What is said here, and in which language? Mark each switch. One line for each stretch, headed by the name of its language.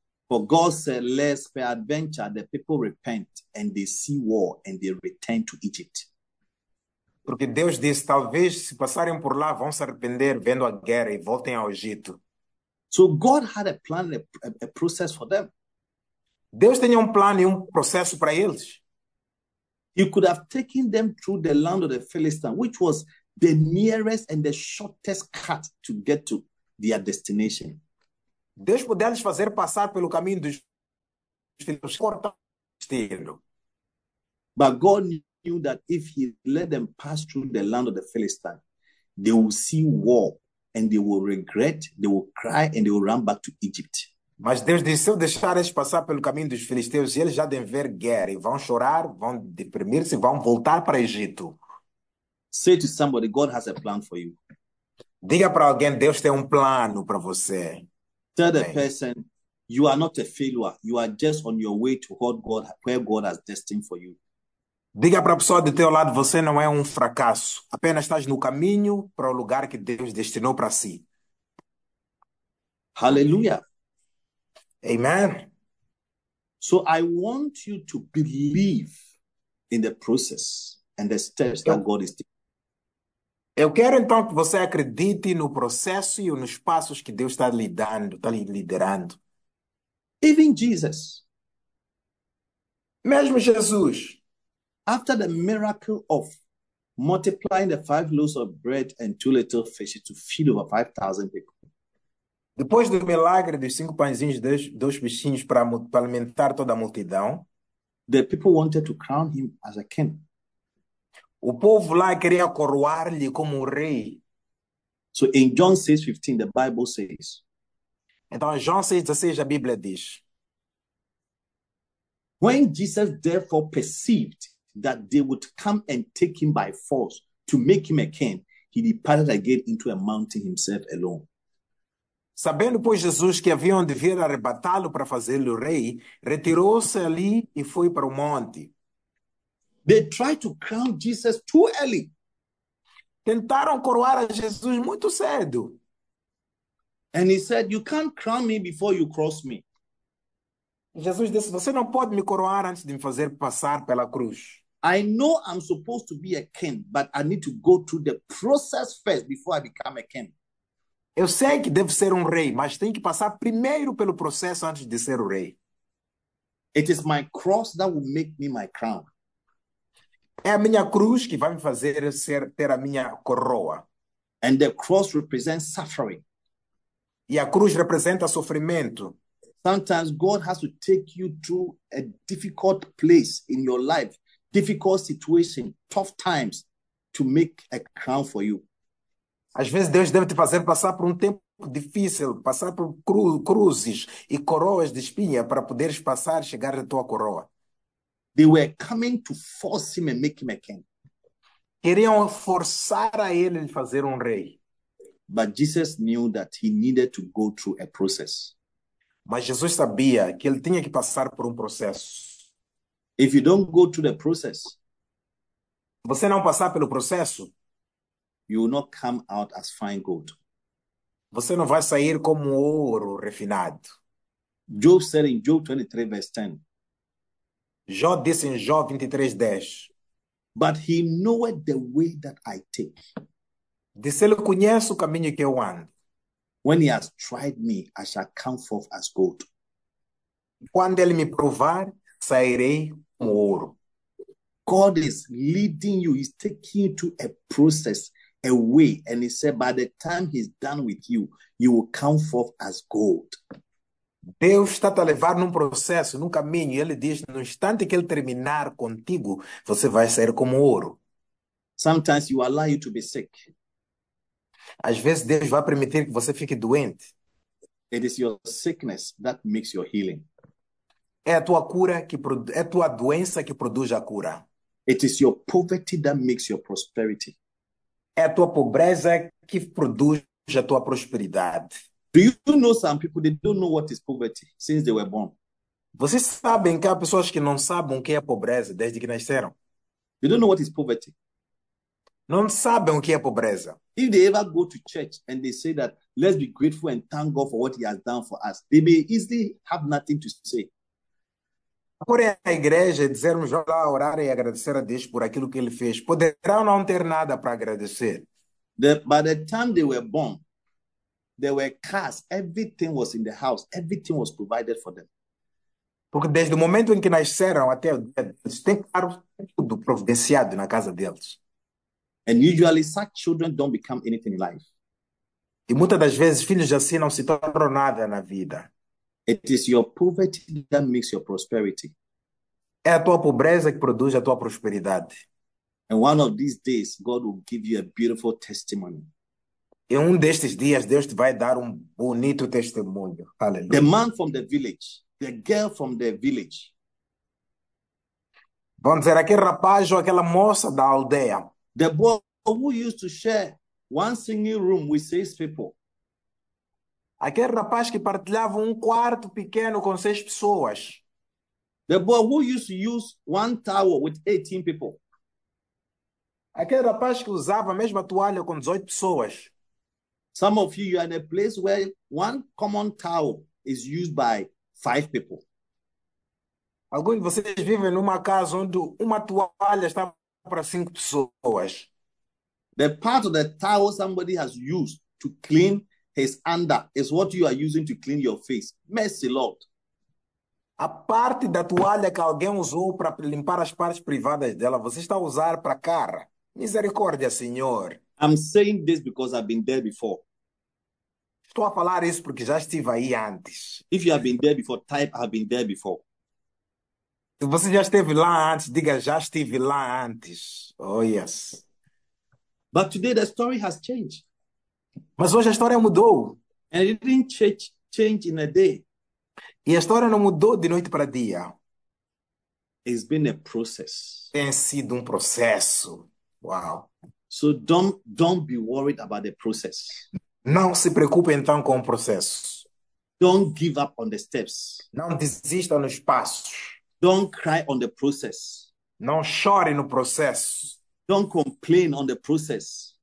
English: For God said, lest peradventure the people repent and they see war and they return to Egypt.
Portuguese: Porque Deus disse, talvez se passarem por lá vão se arrepender vendo a guerra e voltem ao Egito.
English: So God had a plan, a process for them.
Portuguese: Deus tinha plano e processo para eles.
English: He could have taken them through the land of the Philistines, which was the nearest and the shortest cut to get to their destination.
Portuguese: Deus poderia lhes fazer passar pelo caminho dos filhos cortando.
English: But God knew that if he let them pass through the land of the Philistines, they will see war. And they will regret, they will cry, and they will run back to Egypt.
Portuguese: Mas Deus disse, se eu deixar eles passar pelo caminho dos filisteus, eles já devem ver guerra, e vão chorar, vão deprimir-se, vão voltar para Egito.
English: Say to somebody, God has a plan for you.
Portuguese: Diga para alguém, Deus tem plano para você.
English: Tell the person, you are not a failure, you are just on your way to what God, where God has destined for you.
Portuguese: Diga para a pessoa do teu lado, você não é fracasso. Apenas estás no caminho para o lugar que Deus destinou para si. Aleluia.
English: Amen. So I want you to believe in the process and the steps that God is taking.
Portuguese: Eu quero então que você acredite no processo e nos passos que Deus está lhe dando, está lhe liderando.
English: Even Jesus.
Portuguese: Mesmo Jesus.
English: After the miracle of multiplying the 5 loaves of bread and 2 little fishes to feed over 5,000 people.
Portuguese: Depois do milagre dos 5 pãezinhos e 2 peixinhos para alimentar toda a multidão,
English: the people wanted to crown him as a king.
Portuguese: O povo lá queria coroar-lhe como rei.
English: So in John 6:15, the Bible says.
Portuguese: Então, João 6:16, a Bíblia diz.
English: When Jesus therefore perceived that they would come and take him by force to make him a king, he departed again into a mountain himself alone.
Portuguese: Sabendo, pois, Jesus que haviam de vir arrebatá-lo para fazê-lo rei, retirou-se ali e foi para o monte.
English: They tried to crown Jesus too early.
Portuguese: Tentaram coroar a Jesus muito cedo.
English: And he said, you can't crown me before you cross me.
Portuguese: Jesus disse, você não pode me coroar antes de me fazer passar pela cruz.
English: I know I'm supposed to be a king, but I need to go through the process first before I become a king.
Portuguese: Eu sei que devo ser rei, mas tenho que passar primeiro pelo processo antes de ser rei.
English: It is my cross that will make me my crown.
Portuguese: É a minha cruz que vai me fazer ter a minha coroa.
English: And the cross represents suffering.
Portuguese: E a cruz representa sofrimento.
English: Sometimes God has to take you through a difficult place in your life. Difficult situation, tough times, to make a crown for you.
Portuguese: Às vezes Deus deve te fazer passar por tempo difícil, passar por cruzes e coroas de espinha para poderes passar e chegar à tua coroa.
English: They were coming to force him and make him a king.
Portuguese: Queriam forçar a ele de fazer rei.
English: But Jesus knew that he needed to go through a process.
Portuguese: Mas Jesus sabia que ele tinha que passar por processo.
English: If you don't go through the process,
Portuguese: você não passar pelo processo,
English: you will not come out as fine gold.
Portuguese: Você não vai sair como ouro refinado.
English: Job said in Job 23, verse 10.
Portuguese: Jó disse em Jó 23, 10.
English: But he knoweth the way that I take.
Portuguese: Disse ele conhece o caminho que eu ando.
English: When he has tried me, I shall come forth as gold.
Portuguese: Quando ele me provar, sairei como ouro.
English: God is leading you. He's taking you to a process, a way. And he said, by the time he's done with you, you will come forth as gold.
Portuguese: Deus está te a levar num processo, num caminho. E ele diz, no instante que ele terminar contigo, você vai sair como ouro.
English: Sometimes you allow you to be sick.
Portuguese: Às vezes Deus vai permitir que você fique doente.
English: It is your sickness that makes your healing.
Portuguese: É a tua cura que é a tua doença que produz a cura.
English: It is your poverty that makes your prosperity.
Portuguese: É a tua pobreza que produz a tua prosperidade.
English: Do you know some people they don't know what is poverty since they were born?
Portuguese: Vocês sabem que há pessoas que não sabem o que é pobreza desde que nasceram?
English: They don't know what is poverty.
Portuguese: Não sabem o que é pobreza.
English: If they ever go to church and they say that let's be grateful and thank God for what he has done for us, they may easily have nothing to say.
Portuguese: Porém, a igreja dizermos lá orar e agradecer a Deus por aquilo que ele fez, poderão não ter nada para agradecer.
English: By the time they were born, there were cars, everything was in the house, everything was provided for them.
Portuguese: Porque desde o momento em que nasceram até o dia deles, tem claro tudo providenciado na casa deles.
English: And usually such children don't become anything in life.
Portuguese: E muitas das vezes filhos assim não se tornam nada na vida.
English: It is your poverty that makes your prosperity.
Portuguese: É a tua pobreza que produz a tua prosperidade.
English: And one of these days, God will give you a beautiful testimony.
Portuguese: E um destes dias, Deus te vai dar bonito testemunho. Aleluia.
English: The man from the village, the girl from the village.
Portuguese: Vamos dizer, aquele rapaz ou aquela moça da aldeia.
English: The boy who used to share one single room with six people.
Portuguese: Aquele rapaz que partilhava quarto pequeno com seis pessoas.
English: The boy who used to use one towel with 18 people.
Portuguese: Aquele rapaz que usava a mesma toalha com 18 pessoas.
English: Some of you, you are in a place where one common towel is used by five people.
Portuguese: Alguns de vocês vivem numa casa onde uma toalha está para cinco pessoas.
English: The part of the towel somebody has used to clean his under is what you are using to clean your face. Mercy, Lord.
Portuguese: A parte da toalha que alguém usou para limpar as partes privadas dela, você está a usar para cara. Misericórdia, Senhor.
English: I'm saying this because I've been there before.
Portuguese: Estou a falar isso porque já estive aí antes.
English: If you have been there before, type I've been there before.
Portuguese: Se você já esteve lá antes, diga já estive lá antes.
English: Oh, yes. But today the story has changed.
Portuguese: Mas hoje a história mudou.
English: And it didn't change in a day.
Portuguese: E a história não mudou de noite para dia.
English: It's been a process.
Portuguese: Tem sido processo. Wow.
English: So don't be worried about the process.
Portuguese: Não se preocupe então com o processo.
English: Don't give up on the steps.
Portuguese: Não desista nos passos.
English: Don't cry on the process.
Portuguese: Não chore no processo.
English: Don't complain on the process.